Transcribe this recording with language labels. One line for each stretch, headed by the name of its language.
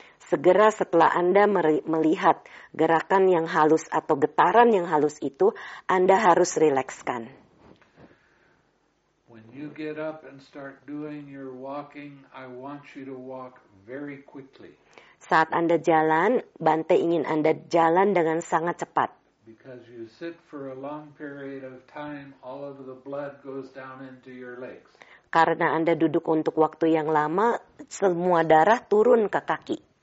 Indonesian: segera setelah Anda melihat gerakan yang halus atau getaran yang halus itu, Anda harus rilekskan.
English: When you get up and start doing your walking, I want you to walk very quickly.
Indonesian: Saat Anda jalan, Bante ingin Anda jalan dengan sangat cepat.
English: Because you sit for a long period of time, all of the blood goes down into your legs.
Indonesian: Karena Anda duduk untuk waktu yang lama, semua darah turun ke kaki.